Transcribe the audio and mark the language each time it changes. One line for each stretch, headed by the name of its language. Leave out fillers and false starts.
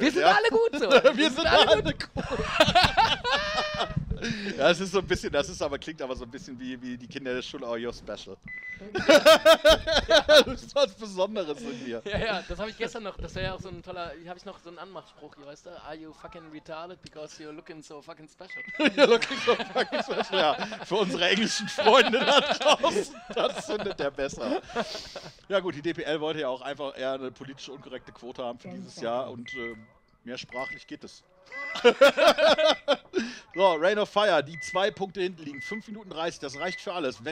German: Wir sind alle gut so. Wir sind alle gut. Ja, das ist so ein bisschen, klingt aber so ein bisschen wie die Kinder der Schule,
English: oh, you're special.
German: Ja. Das ist was Besonderes in mir. Ja, ja, das habe ich gestern noch, das wäre ja auch so ein toller, habe ich noch so einen Anmachspruch hier, weißt du?
English: Are you fucking retarded because you're looking so fucking special? You're looking so fucking special,
German: ja. Für unsere englischen Freunde da draußen, das findet der besser. Ja gut, die DPL wollte ja auch einfach eher eine politisch unkorrekte Quote haben für dieses Jahr und mehr sprachlich geht es. So, Reign of Fire, die 2 Punkte hinten liegen, 5 Minuten 30, das reicht für alles.